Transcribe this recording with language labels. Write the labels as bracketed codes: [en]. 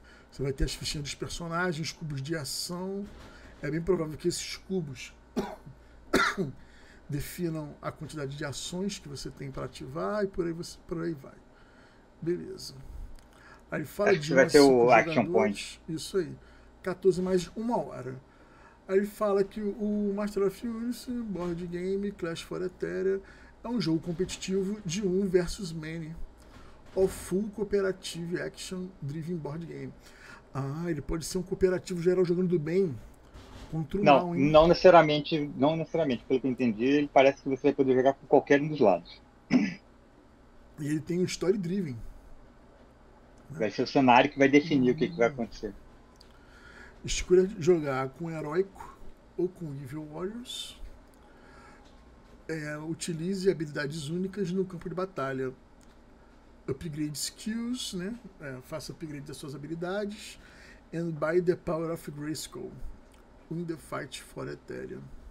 [pt] Você vai ter as fichinhas dos personagens, os cubos de ação. É bem provável que esses cubos definam a quantidade de ações que você tem para ativar e por aí vai. Beleza. Aí fala acho de que vai ter o action point. Isso aí. 14 mais uma hora. Aí fala que o Master of Universe, board game, Clash for Ethereum, é um jogo competitivo de um versus many. [en] Of full cooperative action driven board game. [pt] Ah, ele pode ser um cooperativo geral jogando do bem contra o não, mal, hein? Não necessariamente. Pelo que eu entendi, ele parece que você vai poder jogar com qualquer um dos lados. E ele tem um story driven. Vai ser o cenário que vai definir o que vai acontecer. Escolha jogar com heróico ou com [en] evil warriors. [pt] Utilize habilidades únicas no campo de batalha. [en] Upgrade skills, [pt] né? Faça upgrade das suas habilidades. [en] And by the power of Grayskull, win the fight for Ethereum.